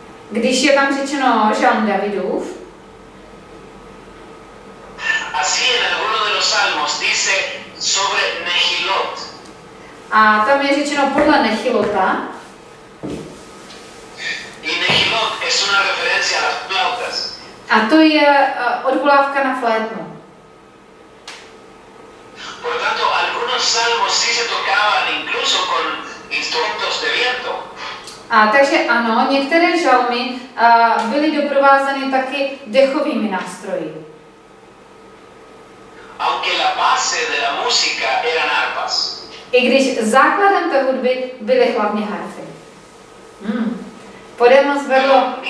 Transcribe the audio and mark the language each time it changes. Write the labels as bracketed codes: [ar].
[cs] Když je tam řečeno žalm Davidův. [es] Así en alguno de los salmos dice sobre Nehilot. [cs] A tam je řečeno podle Nehilota. [es] Y Nehilot es una referencia a las flautas. [cs] A to je odvolávka na flétnu. [es] Por tanto, algunos salmos sí se tocaban incluso con instrumentos de viento. [cs] A takže ano, některé žalmy byly doprovázeny taky dechovými nástroji. [es] Aunque la base de la música eran arpas. [cs] I když základem té hudby byly hlavně harfy. [es] Podemos [cs] zvedlo...